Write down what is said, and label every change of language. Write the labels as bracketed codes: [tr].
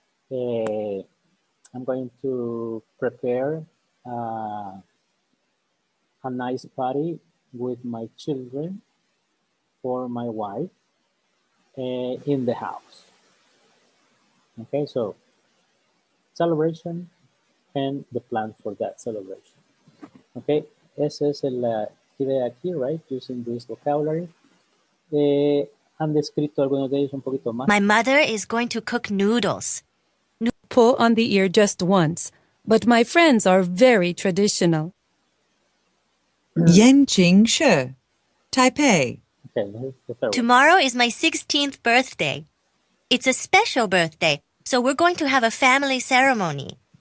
[en] I'm going to prepare a nice party with my children for my wife in the house. Okay, so celebration and the plan for that celebration. [es] Okay, esa es la idea aquí, right? [en] Using this vocabulary. [es] Han descrito algunos de ellos un poquito más. [en] My mother is going to cook noodles. Pull on the ear just once, but my friends are very traditional. Yenqing She, Taipei. Okay, tomorrow is my 16th birthday. It's a special birthday, so we're going to have a family ceremony.